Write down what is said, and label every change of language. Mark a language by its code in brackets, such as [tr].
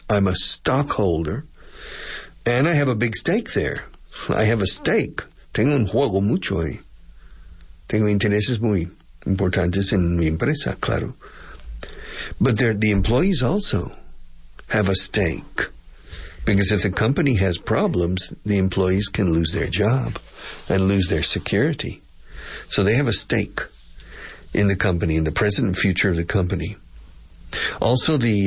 [en] I'm a stockholder and I have a big stake there. I have a stake. [es] Tengo un juego mucho ahí. Tengo intereses muy importantes en mi empresa, claro. [en] But the employees also have a stake because if the company has problems, the employees can lose their job and lose their security. So they have a stake in the company, in the present and future of the company. Also,